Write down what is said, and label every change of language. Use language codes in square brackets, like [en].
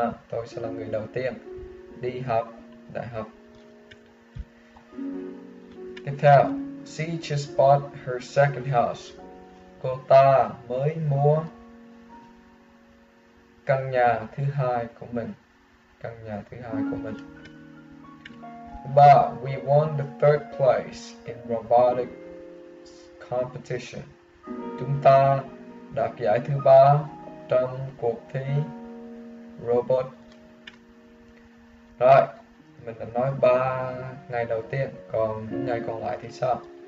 [vi] Tôi sẽ là người đầu tiên đi học đại học. Tiếp theo, [en] she just bought her second house. [vi] Cô ta mới mua căn nhà thứ hai của mình. Căn nhà thứ hai của mình. Ba, [en] we won the third place in robotic competition. [vi] Chúng ta đạt giải thứ ba trong cuộc thi robot. Rồi, mình đã nói ba ngày đầu tiên, còn những ngày còn lại thì sao?